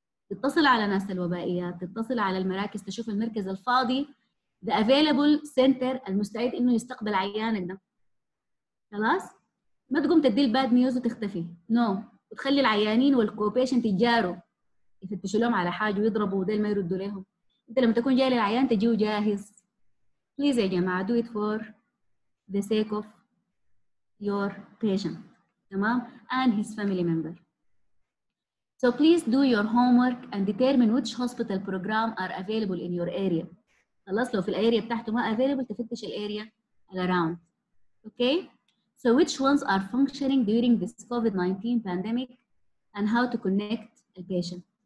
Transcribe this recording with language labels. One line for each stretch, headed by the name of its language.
Arabic: تتصل على ناس الوبائيات، تتصل على المراكز، تشوف المركز الفاضي
English: the available center
Arabic: المستعد انه يستقبل عيانك ده. خلاص ما تقوم تدي الباد نيوز وتختفي نو
English: no.
Arabic: وتخلي العيانين والكوبيشن تجاروا يفتشوا لهم على حاجه ويضربوا وديل ما يردوا لهم. انت لما تكون جاي للعيان تجيه جاهز.
English: Please
Arabic: يا جماعه
English: do it for the sake of your patient
Arabic: تمام
English: and his family member. So please do your homework and determine which hospital program are available in your area.
Arabic: خلاص لو في الاريا بتاعته ما available تفتش الاريا around.
English: Okay? So which ones are functioning during this COVID-19 pandemic and how to connect a patient.